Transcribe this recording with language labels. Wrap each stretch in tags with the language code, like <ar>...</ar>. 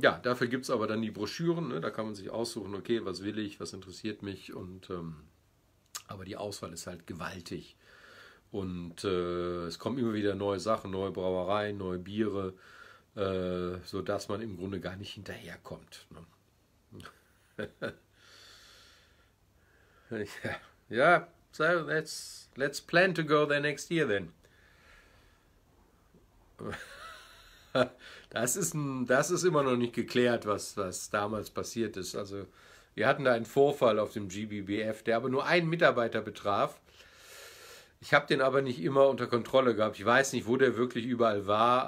<de>Ja, dafür gibt es aber dann die Broschüren, ne? Da kann man sich aussuchen, okay, was will ich, was interessiert mich, und aber die Auswahl ist halt gewaltig. Und es kommen immer wieder neue Sachen, neue Brauereien, neue Biere, sodass man im Grunde gar nicht hinterherkommt. Ne?</de> <en>Yeah, so let's plan to go there next year then.</en> <de>Das ist immer noch nicht geklärt, was damals passiert ist. Also, wir hatten da einen Vorfall auf dem GBBF, der aber nur einen Mitarbeiter betraf. Ich habe den aber nicht immer unter Kontrolle gehabt. Ich weiß nicht, wo der wirklich überall war.</de>